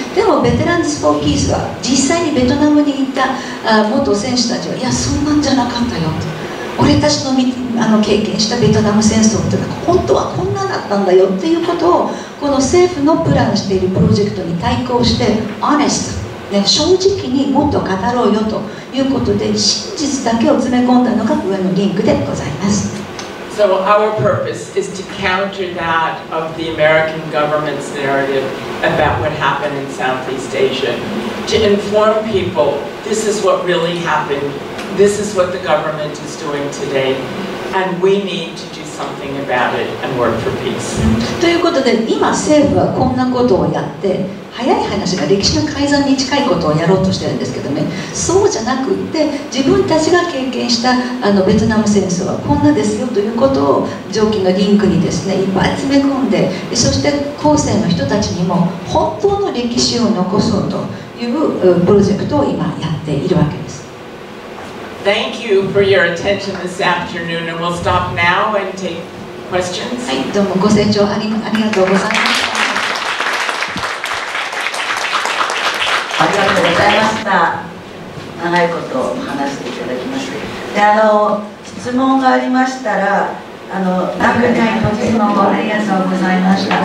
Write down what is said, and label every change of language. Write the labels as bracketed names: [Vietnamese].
[Japanese] でもベテランズフォーピースは実際にベトナムに行った元選手たちは、いやそんなんじゃなかったよと、俺たち の経験したベトナム戦争っていうのは本当はこんなだったんだよっていうことを、この政府のプランしているプロジェクトに対抗して、アネスト、ね、正直にもっと語ろうよということで、真実だけを詰め込んだのが上のリンクでございます。 [English] So our purpose is to counter that of the American government's narrative about what happened in Southeast Asia. To inform people, this is what really happened. This is what the government is doing today. And we need to do something about it and work for peace. [Japanese] ということで、今政府はこんなことをやって、早い話が歴史の改ざんに近いことをやろうとしてるんですけどね、そうじゃなくって自分たちが経験したあのベトナム戦争はこんなですよということを上記のリンクにですねいっぱい詰め込んで、そして後世の人たちにも本当の歴史を残そうというプロジェクトを今やっているわけです。 [English] Thank you for your attention this afternoon and we'll stop now and take questions. [Japanese] はい、どうもご清聴ありがとうございました。ありがとうございました。長いことを話していただきました。で、質問がありましたら、ご質問をありがとうございました。